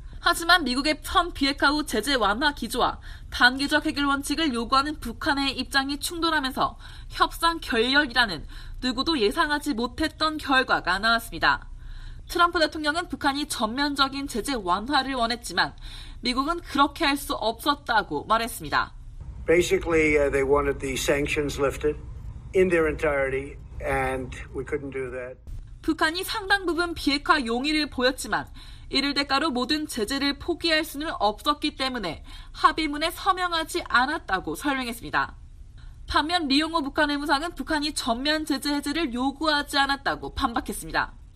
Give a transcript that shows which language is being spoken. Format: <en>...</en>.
<ko>하지만 미국의 선 비핵화 후 제재 완화 기조와 단계적 해결 원칙을 요구하는 북한의 입장이 충돌하면서 협상 결렬이라는 누구도 예상하지 못했던 결과가 나왔습니다. 트럼프 대통령은 북한이 전면적인 제재 완화를 원했지만 미국은 그렇게 할 수 없었다고 말했습니다.</ko> <en>Basically, they wanted the sanctions lifted in their entirety, and we couldn't do that.</en> <ko>북한이 상당 부분 비핵화 용의를 보였지만 이를 대가로 모든 제재를 포기할 수는 없었기 때문에 합의문에 서명하지 않았다고 설명했습니다. 반면 리용호 북한 외무상은 북한이 전면 제재 해제를 요구하지 않았다고 반박했습니다.</ko>